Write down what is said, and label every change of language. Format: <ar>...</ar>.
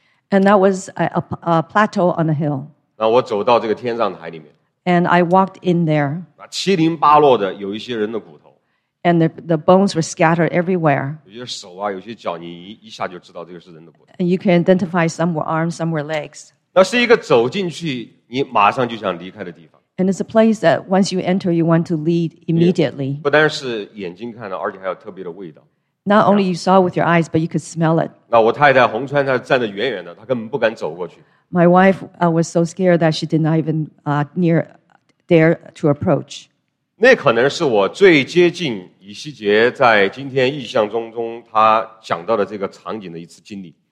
<en>And that was a plateau on a hill.</en> <zh>那我走到这个天葬台里面。</zh> <en>And I walked in there.</en> <zh>七零八落的有一些人的骨头。</zh> <en>And the bones were scattered everywhere.</en> <zh>有些手啊，有些脚，你一下就知道这个是人的骨头。</zh> <en>And you can identify some were arms, some were legs.</en> <zh>那是一个走进去，你马上就想离开的地方。</zh> <en>And it's a place that once you enter, you want to leave immediately.</en> <zh>不单是眼睛看到，而且还有特别的味道。</zh> <en>Not only you saw with your eyes, but you could smell it.</en> <zh>那我太太洪川，她站得远远的，她根本不敢走过去。</zh> <en>My wife was so scared that she did not even dare to approach.</en> <zh>那可能是我最接近。以西结在今天异象中他讲到的这个场景的一次经历。</zh>